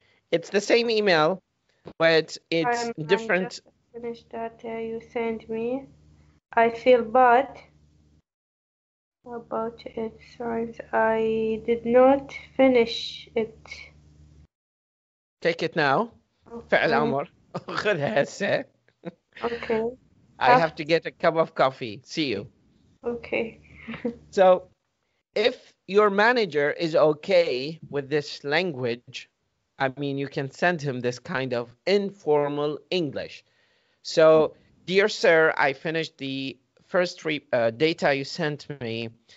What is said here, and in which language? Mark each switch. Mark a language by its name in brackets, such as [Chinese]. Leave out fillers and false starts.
[English] It's the same email, but it's different. I just finished that you sent me. I feel bad about it. Sorry, I did not finish it. Take it now. [Arabic] فعل أمر. خذها هسه. [English] Okay. I have to get a cup of coffee. See you. Okay. So if your manager is okay with this language, I mean, you can send him this kind of informal English. So, dear sir, I finished the first data you sent me.